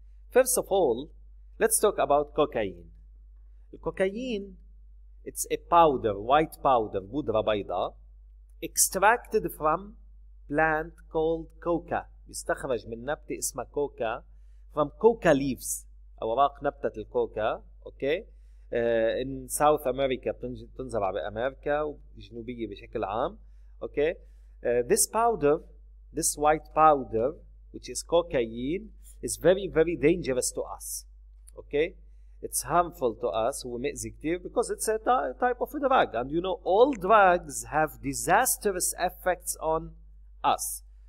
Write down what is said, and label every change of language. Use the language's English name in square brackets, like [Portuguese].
[English] First of all, let's talk about cocaine. The cocaine, it's a powder, white powder, [Arabic] budra bayda, [English] extracted from plant called coca. [Arabic] يستخرج من نبتة اسمها coca, [English] from coca leaves. [Arabic] أوراق نبتة الكوكا, okay? [English] In South America, [Arabic] بتنزرع بأمريكا وجنوبية بشكل عام, okay? [English] This powder, this white powder, which is cocaine, is very, very dangerous to us. Okay, it's harmful to us, we make addictive because it's a type of a drug. And you know, all drugs have disastrous effects on us.